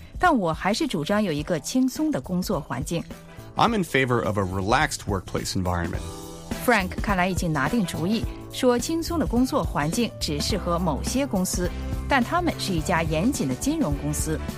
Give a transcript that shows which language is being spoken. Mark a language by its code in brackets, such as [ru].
[zh] 但我还是主张有一个轻松的工作环境。 [en] I'm in favor of a relaxed workplace environment. [zh] Frank 看来已经拿定主意，说轻松的工作环境只适合某些公司，但他们是一家严谨的金融公司。